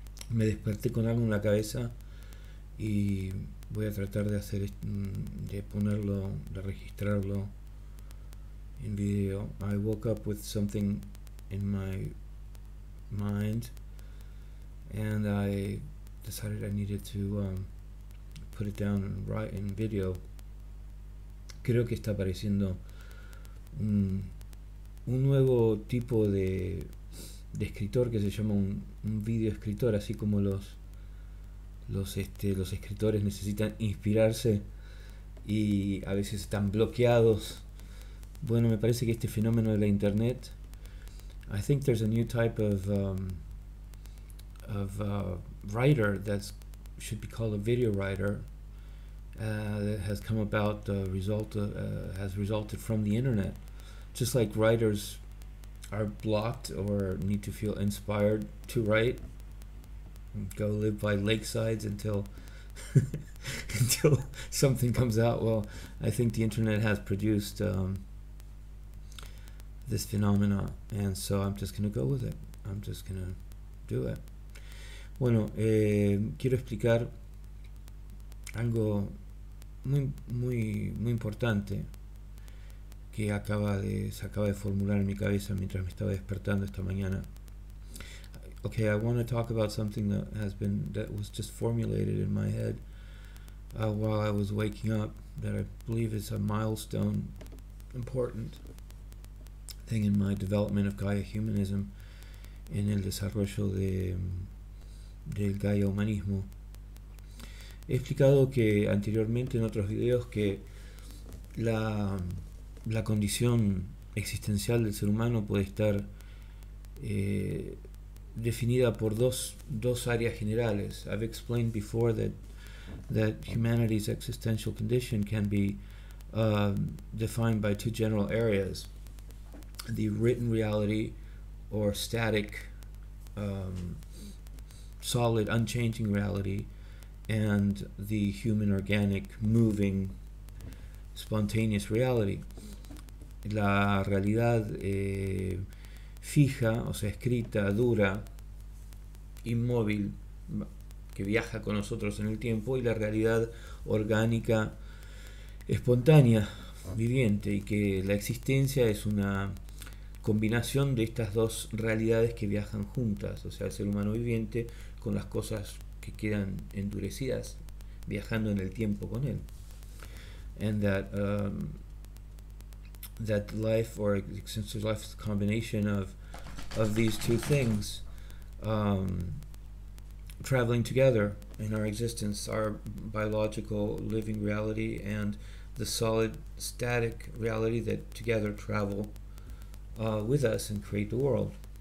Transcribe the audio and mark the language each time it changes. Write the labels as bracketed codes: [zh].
[es] Me desperté con algo en la cabeza y voy a tratar de hacer, de ponerlo, de registrarlo en video. [en] I woke up with something in my mind and I decided I needed to put it down and write in video. [es] Creo que está apareciendo un nuevo tipo de escritor que se llama un video escritor, así como los escritores necesitan inspirarse y a veces están bloqueados. Bueno, me parece que este fenómeno de la internet, [en] I think there's a new type of writer that should be called a video writer that has come about has resulted from the internet. Just like writers are blocked or need to feel inspired to write and go live by lakesides until until something comes out. Well, I think the internet has produced this phenomena, and so I'm just gonna go with it. I'm just gonna do it. [es] Bueno, quiero explicar algo muy muy muy importante que se acaba de formular en mi cabeza mientras me estaba despertando esta mañana. [en] Okay, I want to talk about something that was just formulated in my head while I was waking up, that I believe is a milestone, important thing in my development of Gaia humanism, [es] en el desarrollo del Gaia humanismo. He explicado que anteriormente en otros videos que la condición existencial del ser humano puede estar definida por dos áreas generales. [en] I've explained before that humanity's existential condition can be defined by two general areas: the written reality, or static, solid, unchanging reality, and the human organic, moving, spontaneous reality. [es] La realidad fija, o sea, escrita, dura, inmóvil, que viaja con nosotros en el tiempo, y la realidad orgánica, espontánea, viviente, y que la existencia es una combinación de estas dos realidades que viajan juntas, o sea, el ser humano viviente con las cosas que quedan endurecidas, viajando en el tiempo con él. [en] And that, that life or existential life is a combination of these two things traveling together in our existence, our biological living reality and the solid static reality that together travel with us and create the world.